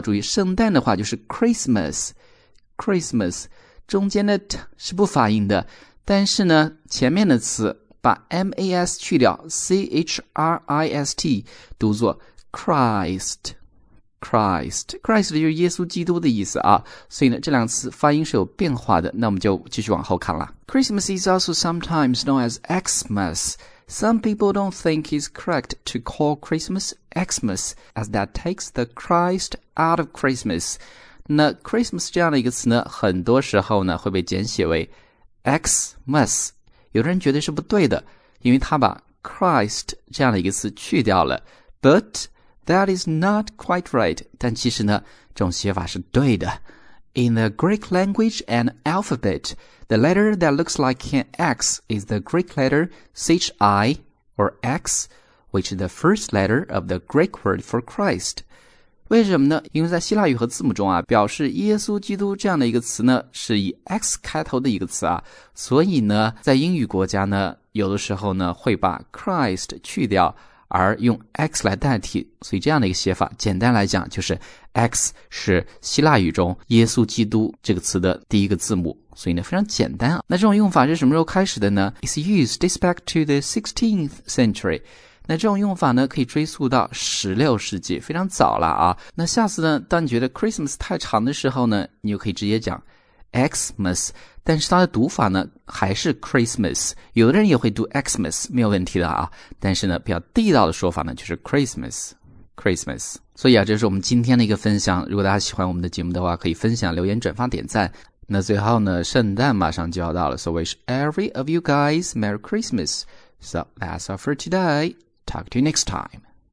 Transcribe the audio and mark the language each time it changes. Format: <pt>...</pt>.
<zh>注意圣诞的话就是 Christmas， 中间的 t 是不发音的，但是呢前面的词把 mas 去掉， c-h-r-i-s-t 读作 Christ 就是耶稣基督的意思啊，所以呢这两个词发音是有变化的。那我们就继续往后看了。</zh> <en>Christmas is also sometimes known as Xmas. Some people don't think it's correct to call Christmas Xmas as that takes the Christ out of Christmas.</en> <zh>那 Christmas 这样的一个词呢很多时候呢会被简写为 Xmas， 有的人觉得是不对的，因为他把 Christ 这样的一个词去掉了。</zh> <en>ButThat is not quite right.</en> <zh>但其实呢，这种写法是对的。</zh> <en>In the Greek language and alphabet, the letter that looks like an X is the Greek letter chi, or X, which is the first letter of the Greek word for Christ.</en> <zh>为什么呢？因为在希腊语和字母中啊，表示耶稣基督这样的一个词呢，是以 X 开头的一个词啊，所以呢，在英语国家呢，有的时候呢，会把 Christ 去掉而用 X 来代替，所以这样的一个写法简单来讲就是 X 是希腊语中耶稣基督这个词的第一个字母，所以呢非常简单啊。那这种用法是什么时候开始的呢？</zh> <en>It's used this back to the 16th century.</en> <zh>那这种用法呢可以追溯到16世纪，非常早了啊。那下次呢当你觉得 Christmas 太长的时候呢，你就可以直接讲Xmas， 但是它的读法呢还是 Christmas， 有的人也会读 Xmas， 没有问题的啊。但是呢比较地道的说法呢就是 Christmas。所以啊这是我们今天的一个分享，如果大家喜欢我们的节目的话可以分享留言转发点赞。那最后呢圣诞马上就要到了，</zh> <en>So wish every of you guys Merry Christmas. So that's all for today. Talk to you next time.</en>